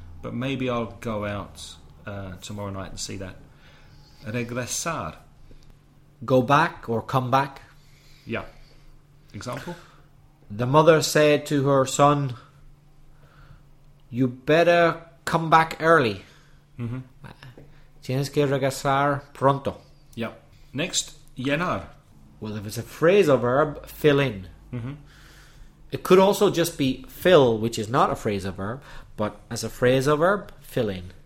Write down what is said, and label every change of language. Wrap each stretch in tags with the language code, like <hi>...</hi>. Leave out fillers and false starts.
<en>But maybe I'll go out tomorrow night and see that.</en> <es>Regresar.</es> <en>Go back or come back. Yeah. Example? The mother said to her son, you better come back early. Mm-hmm.</en> <es>Tienes que regresar pronto.</es> <en>Yep. Next, llenar. Well, if it's a phrasal verb, fill in. Mm-hmm. It could also just be fill, which is not a phrasal verb, but as a phrasal verb, fill in.</en>